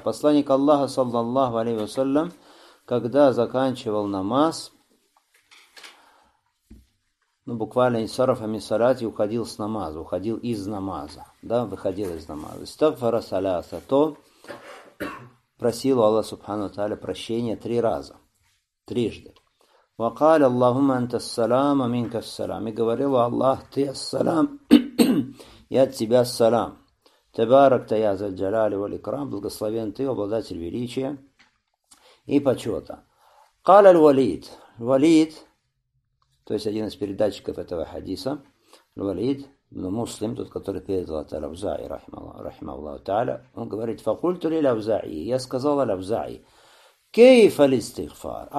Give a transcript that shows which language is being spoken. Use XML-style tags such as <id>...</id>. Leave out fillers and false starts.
<ru>Посланник Аллаха саллаллаху алейхи вассалям, когда заканчивал намаз, ну буквально</ru> <ar>инсарафа мин салати,</ar> <ru>выходил из намаза,</ru> <ar>истагфара саласа,</ar> <ru>то просил у Аллаха субхану тааля прощения три раза, трижды.</ru> <ar>وقال اللهم انت السلام منك السلام.</ar> <ru>И говорил: Аллах, ты ас-салам, я от тебя ас-салам.</ru> <ar>Табарак та я за джалали вал икрам,</ar> <ru>благословен ты, обладатель величия и почета.</ru> <ar>قال الوليد.</ar> <ru>Валид, то есть один из передатчиков этого хадиса, Валид, но муслим, тот, который передал это Равза'и, рахималлаху тааля, он говорит:</ru> <ar>факульту ли Равза'и,</ar> <ru>я сказал Равза'и,</ru> <ar>кейфа ли стигфар?</ar>